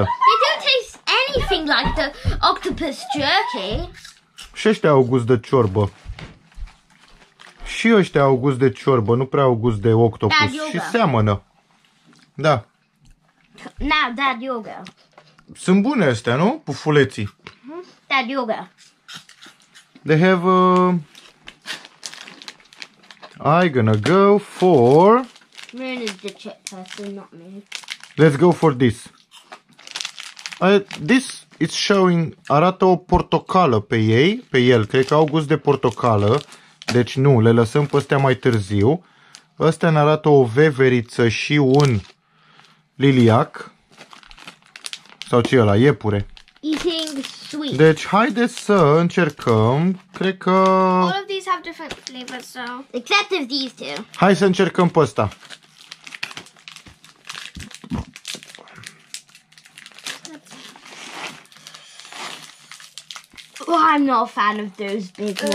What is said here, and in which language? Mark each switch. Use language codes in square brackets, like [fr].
[en] They don't taste anything like the octopus jerky. [ro] Și ăștia au gust de ciorbă. Și ăștia au gust de ciorbă, nu prea au gust de octopus. Și seamănă. Da. [en] Now, Dad, you go. [ro] Sunt bune astea, nu? Pufuleții. [en] Dad, you go. They have a... I'm gonna go for... Moon is the chick person, not me. Let's go for this. This is showing, [ro] arată o portocală pe ei, pe el, cred că au gust de portocală, deci nu, le lăsăm pe astea mai târziu. Astea ne arată o veveriță și un liliac, sau ce e ăla, iepure. [en] Eating sweet. [ro] Deci haideți să încercăm, cred că... [en] All of these have different flavors, so... Except of these two. [ro] Hai să încercăm pe ăsta. [en] Well, I'm not a fan of those big ones.